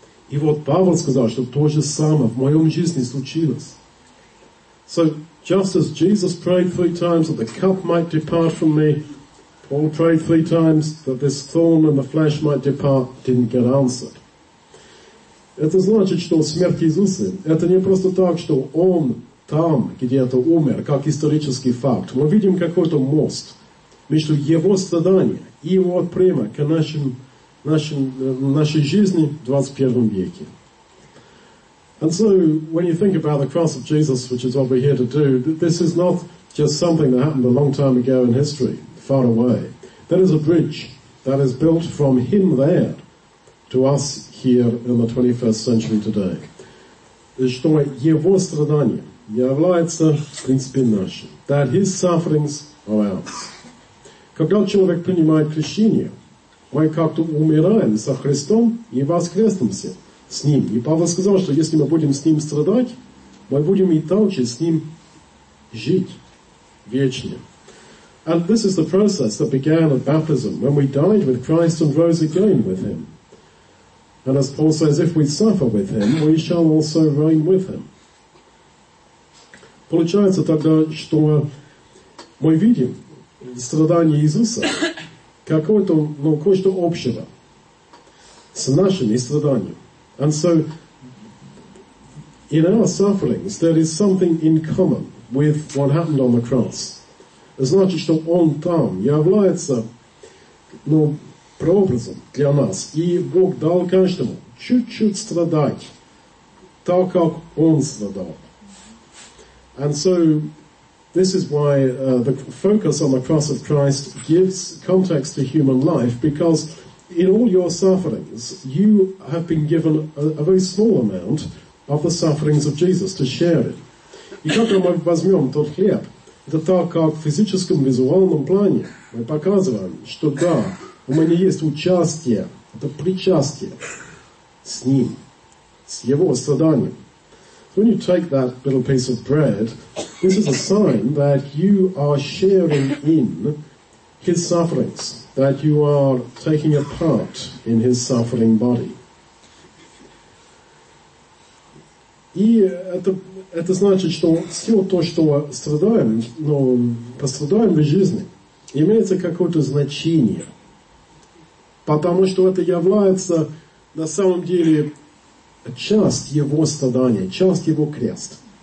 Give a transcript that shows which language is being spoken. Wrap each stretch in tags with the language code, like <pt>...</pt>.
<ru>И вот Павел сказал, что то же самое в моем жизни случилось.</ru> <en>So, just as Jesus prayed three times that the cup might depart from me, Paul prayed three times that this thorn in the flesh might depart, didn't get answered.</en> <ru>Это значит, что смерть Иисуса, это не просто так, что Он там, где-то умер, как исторический факт. Мы видим какой-то мост между Его страданием и Его отпрямой к нашим нашей жизни в 21 веке.</ru> <en>And so, when you think about the cross of Jesus, which is what we're here to do, this is not just something that happened a long time ago in history, far away. There is a bridge that is built from him there to us here in the 21st century today.</en> <ru>Что его страдания являются в принципе нашим.</ru> <en>That his sufferings are ours.</en> <ru>Когда человек принимает крещение, мы как-то умираем со Христом и воскреснемся с Ним. И Павел сказал, что если мы будем с Ним страдать, мы будем и также с Ним жить вечно.</ru> <en>And this is the process that began at baptism, when we died with Christ and rose again with Him. And as Paul says, if we suffer with Him, we shall also reign with Him.</en> <ru>Получается тогда, что мы видим страдания Иисуса, какое-то, ну, кое-что общего с нашими страданиями.</ru> <en>And so, in our sufferings, there is something in common with what happened on the cross.</en> <ru>Значит, что Он там является, ну, прообразом для нас. И Бог дал каждому чуть-чуть страдать, так как Он страдал.</ru> <en>And so, this is why the focus on the cross of Christ gives context to human life, because in all your sufferings, you have been given a very small amount of the sufferings of Jesus to share it.</en> <ru>И когда мы возьмем тот хлеб, это так, как в физическом, визуальном плане, мы показываем, что да, у меня есть участие, это причастие с Ним, с Его страданием.</ru> <en>When you take that little piece of bread, this is a sign that you are sharing in his sufferings, that you are taking a part in his suffering body.</en> <ru>И это значит, что все то, что страдаем, ну, пострадаем в жизни, имеется какое-то значение. Потому что это является на самом деле часть его страдания, часть его крест.</ru>